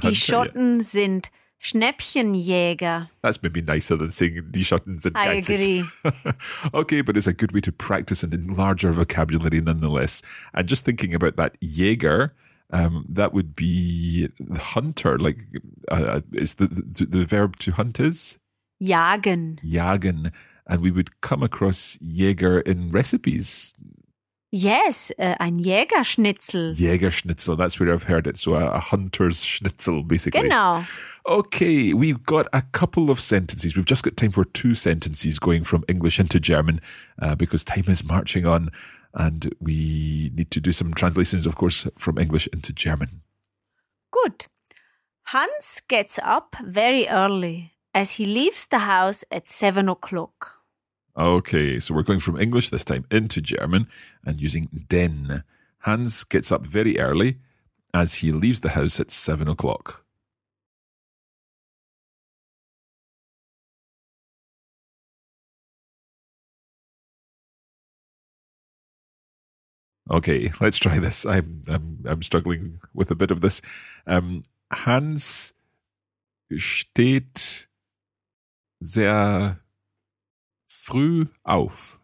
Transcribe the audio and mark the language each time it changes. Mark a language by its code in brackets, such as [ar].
[de] Die Schotten sind Schnäppchenjäger. [en] That's maybe nicer than saying [de] die Schotten sind geizig. [en] I agree. Okay, but it's a good way to practice and enlarge our vocabulary nonetheless. And just thinking about that Jäger, that would be the hunter. Like, is the verb to hunt is? [de] Jagen. Jagen. [en] And we would come across Jäger in recipes. [de] Yes, ein Jägerschnitzel. [en] Jägerschnitzel, that's where I've heard it. So a hunter's schnitzel, basically. [de] Genau. [en] Okay, we've got a couple of sentences. We've just got time for two sentences going from English into German because time is marching on and we need to do some translations, of course, from English into German. Good. Hans gets up very early as he leaves the house at 7 o'clock. Okay, so we're going from English this time into German and using denn. Hans gets up very early as he leaves the house at 7 o'clock. Okay, let's try this. I'm struggling with a bit of this. [de] Hans steht sehr früh auf.